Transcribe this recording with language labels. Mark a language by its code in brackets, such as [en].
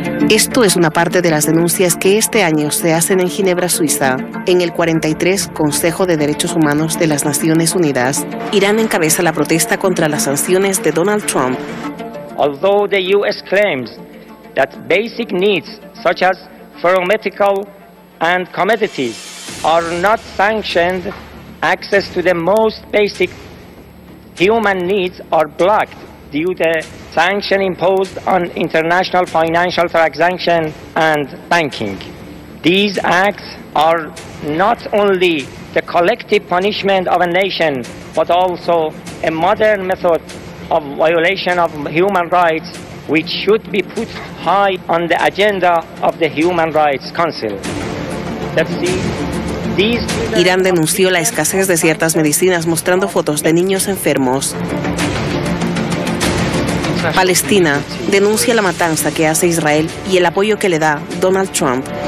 [es] Esto es una parte de las denuncias que este año se hacen en Ginebra, Suiza, en el 43 Consejo de Derechos Humanos de las Naciones Unidas. Irán encabeza la protesta contra las sanciones de Donald Trump. [en] Although the U.S. claims that basic needs such as foreign medical and commodities are not sanctioned, access to the most basic human needs are blocked due to sanctions imposed on international financial transactions and banking. These acts are not only the collective punishment of a nation, but also a modern method of violation of human rights, which should be put high on the agenda of the Human Rights Council. Let's see. [es] Irán denunció la escasez de ciertas medicinas mostrando fotos de niños enfermos. Palestina denuncia la matanza que hace Israel y el apoyo que le da Donald Trump.